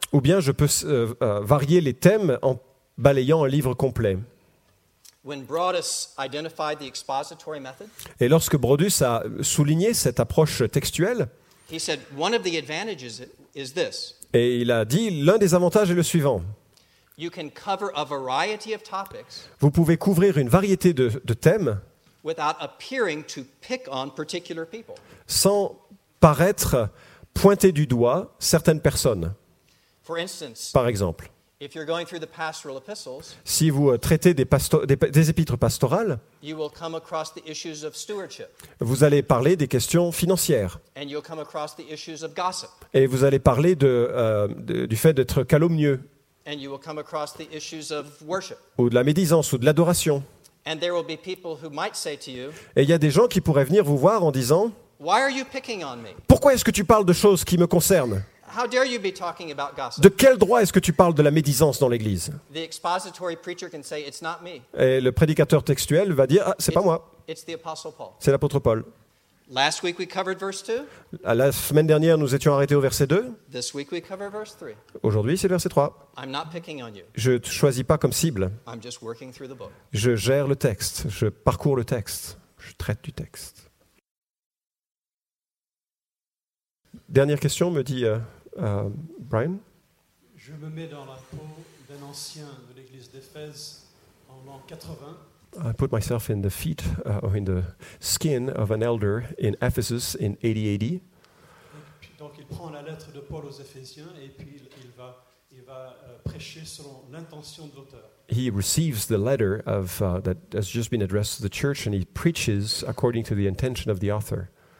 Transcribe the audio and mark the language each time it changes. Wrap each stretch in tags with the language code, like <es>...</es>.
<fr>Ou bien je peux varier les thèmes en balayant un livre complet.</fr> <en>When Broadus identified the expository method,</en> <fr>et lorsque Broadus a souligné cette approche textuelle,</fr> <en>he said, one of the advantages is this.</en> <fr>Et il a dit, l'un des avantages est le suivant.</fr> <en>You can cover a variety of topics.</en> <fr>Vous pouvez couvrir une variété de thèmes</fr> <en>without appearing to pick on particular people.</en> <fr>Sans paraître pointer du doigt certaines personnes.</fr> <en>For instance,</en> <fr>par exemple,</fr> <en>if you're going through the pastoral epistles,</en> <fr>si vous traitez des épîtres pastorales,</fr> <en>you will come across the issues of stewardship.</en> <fr>Vous allez parler des questions financières.</fr> <en>And you'll come across the issues of gossip.</en> <fr>Et vous allez parler du fait d'être calomnieux.</fr> <en>And you will come across the issues of worship.</en> <fr>Ou de la médisance ou de l'adoration.</fr> <en>And there will be people who might say to you,</en> <fr>et il y a des gens qui pourraient venir vous voir en disant,</fr> <en>why are you picking on me?</en> <fr>Pourquoi est-ce que tu parles de choses qui me concernent?</fr> <en>How dare you be talking about gossip?</en> <fr>De quel droit est-ce que tu parles de la médisance dans l'église?</fr> <en>The expository preacher can say, it's not me.</en> <fr>Et le prédicateur textuel va dire, ah, c'est pas moi.</fr> <en>It's the Apostle Paul.</en> <fr>C'est l'apôtre Paul.</fr> <en>Last week we covered verse 2.</en> <fr>La semaine dernière, nous étions arrêtés au verset 2.</fr> <en>This week we cover verse 3.</en> <fr>Aujourd'hui, c'est le verset 3.</fr> <en>I'm not picking on you.</en> <fr>Je ne te choisis pas comme cible.</fr> <en>I'm just working through the book.</en> <fr>Je gère le texte, je parcours le texte, je traite du texte. Dernière question, me dit Brian. Je me mets dans la peau d'un ancien de l'église d'Éphèse en l'an 80.</fr> <en>I put myself in the feet or in the skin of an elder in Ephesus in 80 AD.</en> <fr>Donc il prend la lettre de Paul aux Éphésiens et puis il va prêcher selon l'intention de l'auteur.</fr> <en>He receives the letter of that has just been addressed to the church and he preaches according to the intention of the author.</en>